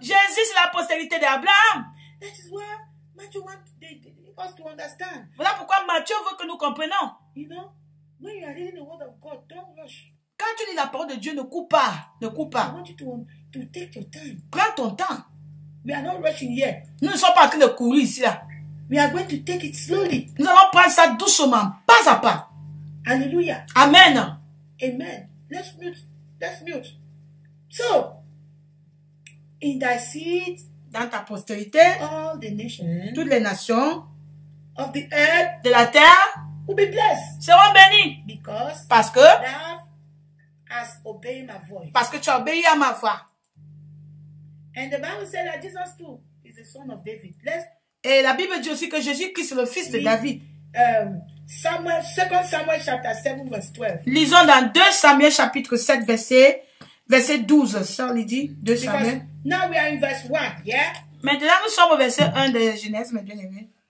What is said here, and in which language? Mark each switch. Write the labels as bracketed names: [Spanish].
[French] Jésus, c'est la postérité d'Abraham. [English] That is why Matthew wants us to understand. [French] Voilà pourquoi Matthieu veut que nous comprenions. [English] You know, when you are reading the word of God, don't rush. [French] Quand tu lis la parole de Dieu, ne coupe pas. Ne coupe pas. [English] I want you to take your time. [French] Prends ton temps. [English] We are not rushing yet. [French] Nous ne sommes pas en train de courir ici. Là. [English] We are going to take it slowly. [French] Nous allons prendre ça doucement, pas à pas. Alléluia. Amen. [English] Amen. Let's mute. Let's mute. So, in thy seed, [French] dans ta postérité, [English] all the nations, [French] toutes les nations [English] of the earth, [French] de la terre, [English] will be blessed, [French] seront bénies. [English] Because, [French] parce que, [English] thou hast obeyed my voice. [French] Parce que tu as obéi à ma voix. [English] And the Bible says that Jesus too is the son of David. Let's, [French] et la Bible dit aussi que Jésus-Christ est le fils de David. Samuel, 2 Samuel chapitre 7, verset 12. Lisons dans 2 Samuel chapitre 7, verset 12. Ça, on dit 2 Samuel. [English] Now we are in verse 1, yeah? [French] Maintenant, nous sommes au verset 1 de Genèse, mes bien-aimés.